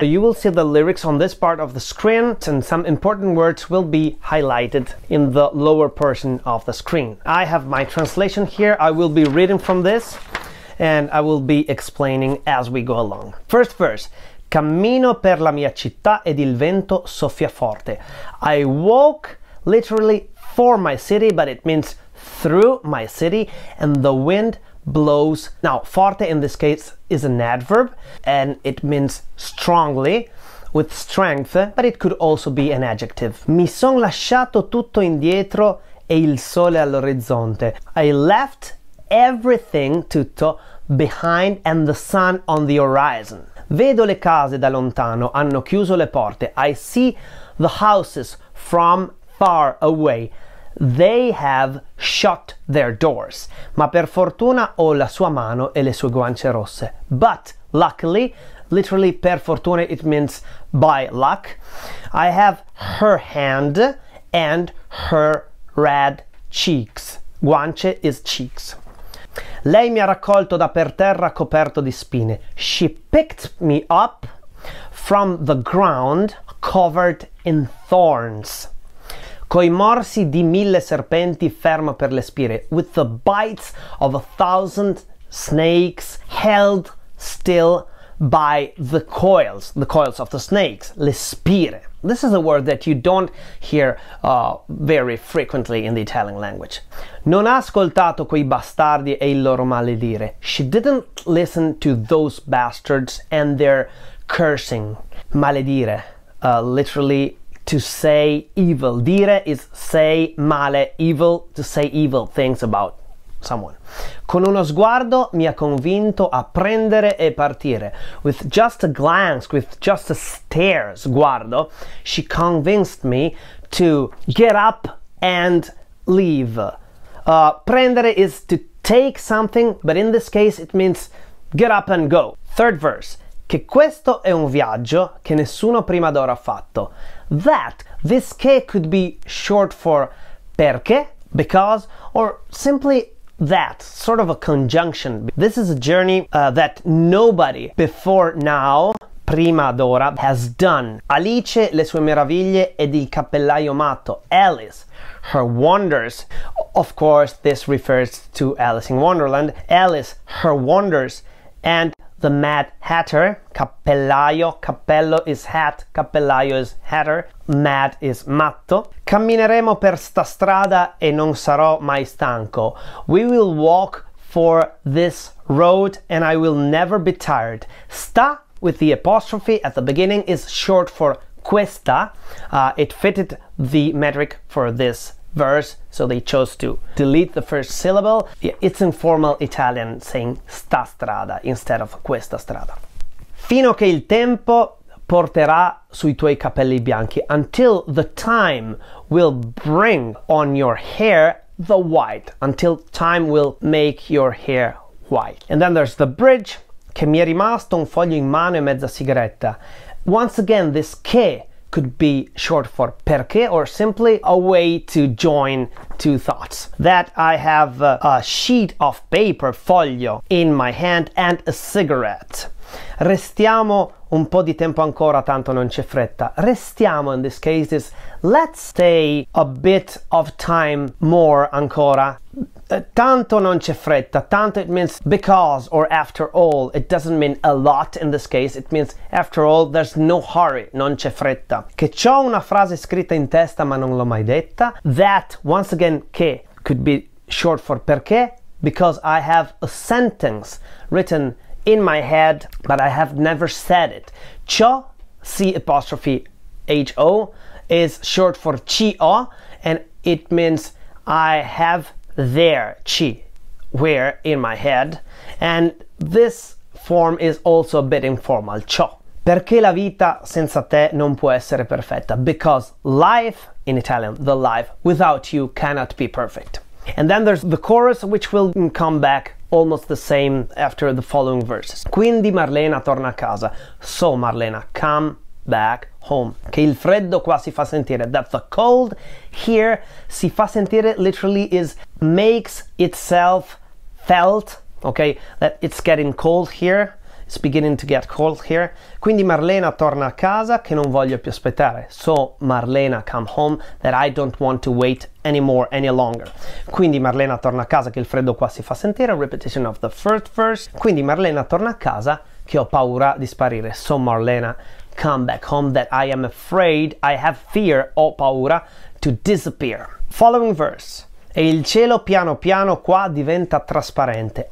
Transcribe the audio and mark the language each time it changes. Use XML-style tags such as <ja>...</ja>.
<en>You will see the lyrics on this part of the screen, and some important words will be highlighted in the lower portion of the screen. I have my translation here. I will be reading from this, and I will be explaining as we go along. First verse.</en> <it>Cammino per la mia città ed il vento soffia forte.</it> <en>I walk literally for my city, but it means through my city, and the wind blows. Now, forte in this case is an adverb and it means strongly, with strength, but it could also be an adjective.</en> <it>Mi son lasciato tutto indietro e il sole all'orizzonte.</it> <en>I left everything, tutto, behind and the sun on the horizon.</en> <it>Vedo le case da lontano, hanno chiuso le porte.</it> <en>I see the houses from far away. They have shut their doors.</en> <it>Ma per fortuna ho la sua mano e le sue guance rosse.</it> <en>But luckily, literally</en> <it>per fortuna,</it> <en>it means by luck, I have her hand and her red cheeks. Guance is cheeks.</en> <it>Lei mi ha raccolto da per terra coperto di spine.</it> <en>She picked me up from the ground covered in thorns.</en> <it>Coi morsi di mille serpenti fermo per le spine.</it> <en>With the bites of a thousand snakes held still by the coils of the snakes,</en> <it>le spine.</it> <en>This is a word that you don't hear very frequently in the Italian language.</en> <it>Non ha ascoltato quei bastardi e il loro maledire.</it> <en>She didn't listen to those bastards and their cursing. Maledire, literally to say evil. Dire is say male, evil, to say evil things about someone.</en> <it>Con uno sguardo mi ha convinto a prendere e partire.</it> <en>With just a glance, with just a stare, sguardo, she convinced me to get up and leave. Prendere is to take something, but in this case it means get up and go. Third verse.</en> <it>Che questo è un viaggio che nessuno prima d'ora ha fatto.</it> <en>That, this che could be short for perché, because, or simply that, sort of a conjunction. This is a journey that nobody before now,</en> <it>prima d'ora,</it> <en>has done.</en> <it>Alice, le sue meraviglie ed il cappellaio matto.</it> <en>Alice, her wonders. Of course, this refers to Alice in Wonderland. Alice, her wonders and the Mad Hatter. Cappellaio, cappello is hat, cappellaio is hatter, mad is matto.</en> <it>Cammineremo per sta strada e non sarò mai stanco.</it> <en>We will walk for this road and I will never be tired. Sta with the apostrophe at the beginning is short for questa. It fitted the metric for this verse, so they chose to delete the first syllable. It's informal Italian saying</en> <it>sta strada</it> <en>instead of</en> <it>questa strada. Fino che il tempo porterà sui tuoi capelli bianchi.</it> <en>Until the time will bring on your hair the white. Until time will make your hair white. And then there's the bridge.</en> <it>Che mi è rimasto un foglio in mano e mezza sigaretta.</it> <en>Once again, this che could be short for perché or simply a way to join two thoughts. That I have a sheet of paper, foglio, in my hand and a cigarette.</en> <it>Restiamo un po' di tempo ancora, tanto non c'è fretta.</it> <en>Restiamo in this case is let's stay a bit of time more ancora.</en> <it>Tanto non c'è fretta.</it> <en>Tanto it means because or after all. It doesn't mean a lot in this case. It means after all, there's no hurry.</en> <it>Non c'è fretta. Che c'ho una frase scritta in testa ma non l'ho mai detta.</it> <en>That, once again, che could be short for perché. Because I have a sentence written in my head but I have never said it. C'ho, C apostrophe H-O, is short for C-O and it means I have there, chi, where, in my head. And this form is also a bit informal, ciò.</en> <it>Perché la vita senza te non può essere perfetta?</it> <en>Because life, in Italian, the life without you cannot be perfect. And then there's the chorus, which will come back almost the same after the following verses.</en> <it>Quindi Marlena torna a casa.</it> <en>So Marlena, come back home.</en> <it>Che il freddo qua si fa sentire.</it> <en>That the cold here</en> <it>si fa sentire</it> <en>literally is makes itself felt. Okay, that it's getting cold here. It's beginning to get cold here.</en> <it>Quindi Marlena torna a casa che non voglio più aspettare.</it> <en>So Marlena come home that I don't want to wait anymore, any longer.</en> <it>Quindi Marlena torna a casa che il freddo qua si fa sentire.</it> <en>A repetition of the first verse.</en> <it>Quindi Marlena torna a casa che ho paura di sparire.</it> <en>So Marlena come back home that I am afraid, I have fear,</en> <it>ho paura,</it> <en>to disappear. Following verse.</en> <it>E il cielo piano piano qua diventa trasparente.</it>